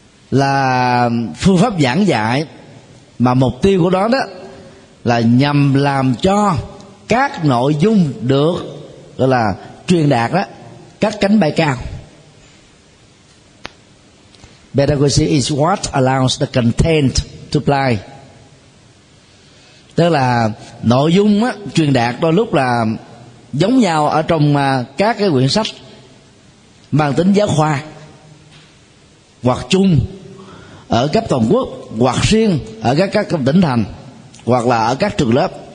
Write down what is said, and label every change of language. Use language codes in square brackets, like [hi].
[vi] là phương pháp giảng dạy mà mục tiêu của nó đó là nhằm làm cho các nội dung được gọi là truyền đạt đó cất cánh bay cao. [en] Pedagogy is what allows the content to fly. [vi] Tức là nội dung á, truyền đạt đôi lúc là giống nhau ở trong các cái quyển sách mang tính giáo khoa, hoặc chung ở cấp toàn quốc, hoặc riêng ở các tỉnh thành, hoặc là ở các trường lớp.